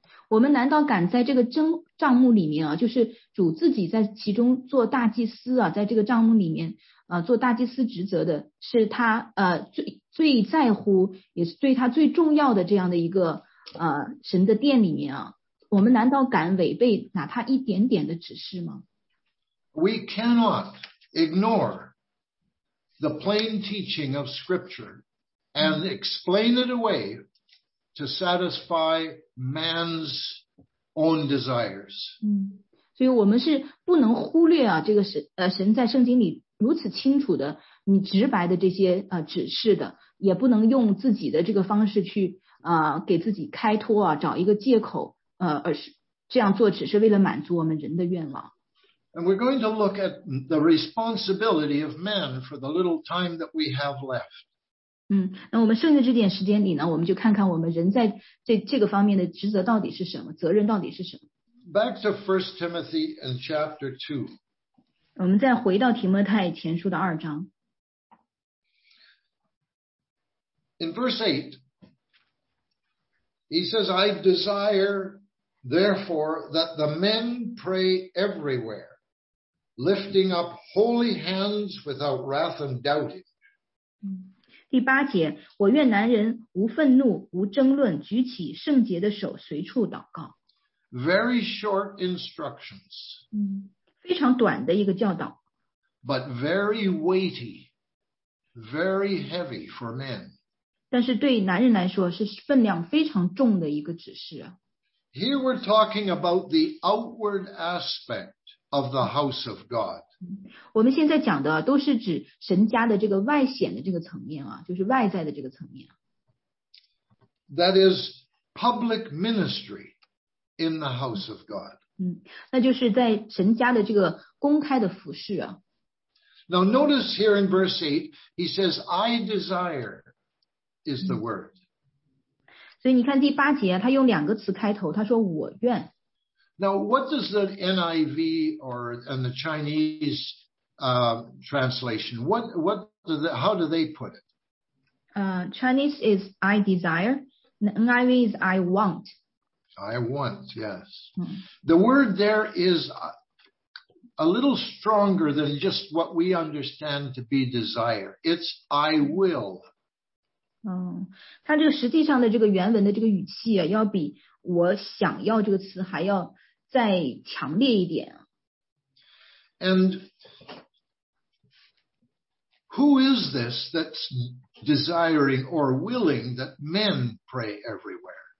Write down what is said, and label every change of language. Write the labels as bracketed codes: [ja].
[zh] 我们难道敢在这个帐幕里面啊，就是主自己在其中做大祭司啊，在这个帐幕里面做大祭司职责的是他最在乎也是对他最重要的这样的一个神的殿里面啊，我们难道敢违背哪怕一点点的指示吗？ [en] We cannot ignore the plain teaching of scripture and explain it away to satisfy man's own desires. [zh] 所以我们是不能忽略啊，这个神在圣经里如此清楚的、你直白的这些指示的，也不能用自己的这个方式去给自己开脱啊，找一个借口而是这样做只是为了满足我们人的愿望。 [en] And we're going to look at the responsibility of men for the little time that we have left. [zh] 那我们剩下这点时间里呢，我们就看看我们人在这个方面的职责到底是什么，责任到底是什么。 [en] Back to 1 Timothy and chapter 2. [zh] 我们再回到提摩太前书的二章。 [en] In verse 8, he says, I desire, therefore, that the men pray everywhere, lifting up holy hands without wrath and doubting. [zh] 第八节，我愿男人无愤怒无争论，举起圣洁的手随处祷告。 [en] Very short instructions. [zh] 非常短的一个教导。 [en] But very weighty, very heavy for men. [zh] 但是对男人来说是分量非常重的一个指示。 [en] Here we're talking about the outward aspect of the house of God. [zh] 我们现在讲的都是指神家的这个外显的这个层面啊，就是外在的这个层面。 [en] That is public ministry in the house of God. [zh] 那就是在神家的这个公开的服事啊。 [en] Now notice here in verse 8, he says, I desire is the word. [zh] 所以你看第八节啊，他用两个词开头，他说我愿。 [en] Now, what does the NIV or and the Chinese translation, how do they put it? Chinese is I desire. NIV is I want. I want, yes. The word there is a little stronger than just what we understand to be desire. It's I will. [zh] 它这个实际上的这个原文的这个语气啊，要比我想要这个词还要再强烈一点。 [en] And who is this that's desiring or willing that men pray everywhere?